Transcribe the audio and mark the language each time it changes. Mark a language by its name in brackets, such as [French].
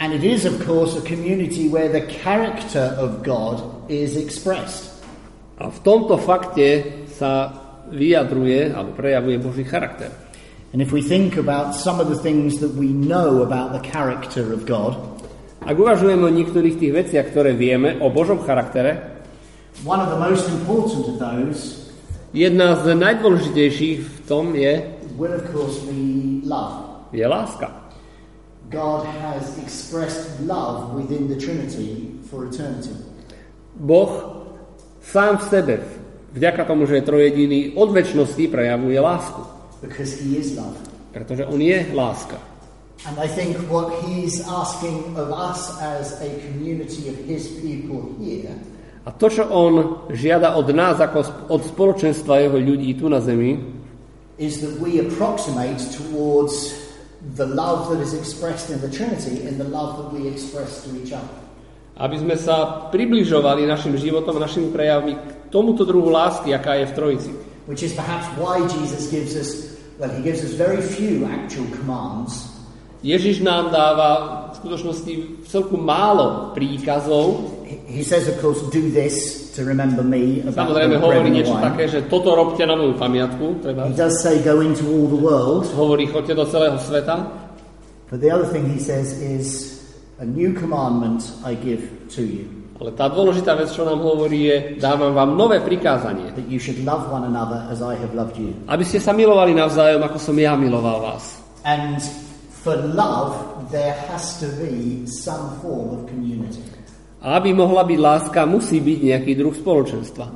[English] And it is, of course, a community where the character of God is expressed. [Slovak] A v tomto fakte sa vyjadruje alebo prejavuje Boží charakter. [English] And if we think about some of the things that we know about the character of God, [Slovak] ak uvažujeme o niektorých tých veciach, ktoré vieme o Božom charaktere, [English] one of the most important of those, [Slovak] jedna z najdôležitejších v tom je, [English] will of course be love. [Slovak] Je láska. [English] God has expressed love within the Trinity for eternity. [Slovak] Boh sám v sebe, vďaka tomu, že je trojediný, od večnosti prejavuje lásku. [English] Because he is love. [Slovak] Pretože on je láska. [English] And I think what he's asking of us as a community of his people here, [Slovak] a to, čo on žiada od nás ako od spoločenstva jeho ľudí tu na zemi, [English] is that we approximate towards the love that is expressed in the Trinity and the love that we express to each other. [Slovak] Aby sme sa približovali našim životom, našim prejavmi k tomuto druhu lásky, aká je v Trojici. [English] Which is perhaps why Jesus gives us, well, he gives us very few actual commands. [Slovak] Ježiš nám dáva v skutočnosti celku málo príkazov. He says, of course, do this to remember me. Samozrejme hovorí niečo také, že toto robte na moju pamiatku. Treba. [English] He does say, go into all the world. [Slovak] Hovorí, choďte do celého sveta. [English] But the other thing he says is, a new commandment I give to you. [Slovak] Ale tá dôležitá vec, čo nám hovorí, je, dávam vám nové prikázanie. [English] That you should love one another as I have loved you. [Slovak] Aby ste sa milovali navzájom, ako som ja miloval vás. [English] And for love, there has to be some form of community. [Slovak] Aby mohla byť láska, musí byť nejaký druh spoločenstva.